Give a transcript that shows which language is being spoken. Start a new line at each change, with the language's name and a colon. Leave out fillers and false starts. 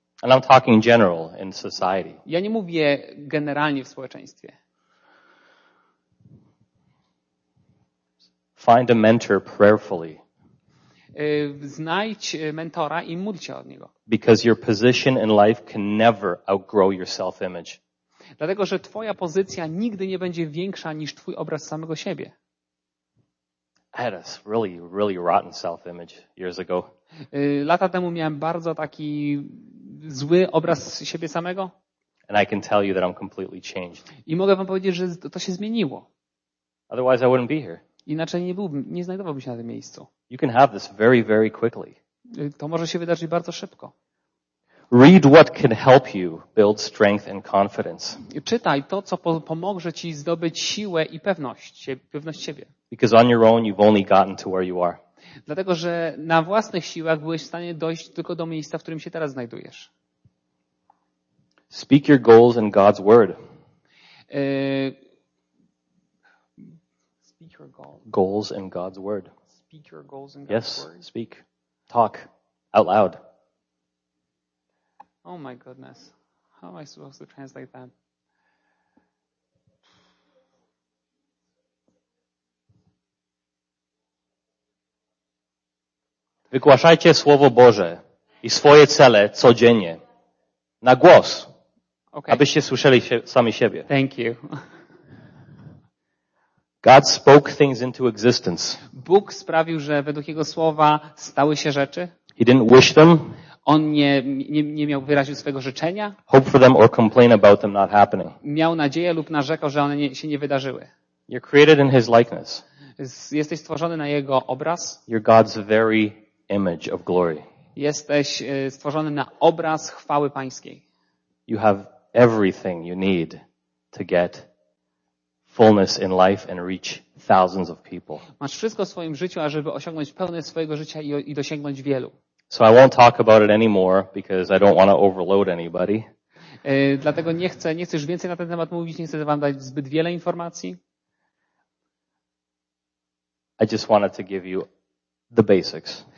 English: And I'm talking general in society.
Polish: Ja nie mówię generalnie w społeczeństwie.
English: Find a mentor prayerfully.
Polish: Znajdź mentora i módl się o niego.
English: Because your position in life can never outgrow your self-image.
Polish: Dlatego, że twoja pozycja nigdy nie będzie większa niż twój obraz samego siebie.
English: Eras, really, really rotten self-image years ago.
Polish: Lata temu miałem bardzo taki zły obraz siebie samego.
English: And I can tell you that I'm completely changed.
Polish: I mogę wam powiedzieć, że to się zmieniło.
English: Otherwise I wouldn't be here.
Polish: Inaczej nie znajdowałbym się na tym miejscu.
English: You can have this very, very quickly.
Polish: To może się wydarzyć bardzo szybko.
English: Read what can help you build strength and confidence.
Polish: Czytaj to, co pomoże ci zdobyć siłę i pewność siebie.
English: Because on your own you've only gotten to where you are.
Polish: Dlatego, że na własnych siłach byłeś w stanie dojść tylko do miejsca, w którym się teraz znajdujesz.
English: Speak your goals in God's word. Speak your goals. Goals in God's word. Speak your goals in God's yes, word. Yes, speak. Talk out loud. Oh my goodness. How am I supposed to translate that?
Polish: Wygłaszajcie Słowo Boże i swoje cele codziennie. Na głos. Okay. Abyście słyszeli sami siebie.
English: Thank you. God spoke things into existence.
Polish: Bóg sprawił, że według jego słowa stały się rzeczy.
English: He didn't wish them.
Polish: On nie miał wyraził swojego życzenia.
English: Hope for them or complain about them not happening.
Polish: Miał nadzieję lub narzekał, że one się nie wydarzyły.
English: You're created in his likeness.
Polish: Jesteś stworzony na jego obraz.
English: You're God's very image of glory.
Polish: Jesteś stworzony na obraz chwały Pańskiej.
English: You have everything you need to get fullness in life and reach thousands of people.
Polish: Masz wszystko w swoim życiu, ażeby osiągnąć pełne swojego życia i dosięgnąć wielu.
English: So I won't talk about it anymore because I don't want to overload anybody.
Polish: Dlatego nie chcę już więcej na ten temat mówić, nie chcę wam dać zbyt wiele informacji.
English: I just wanted to give you the basics.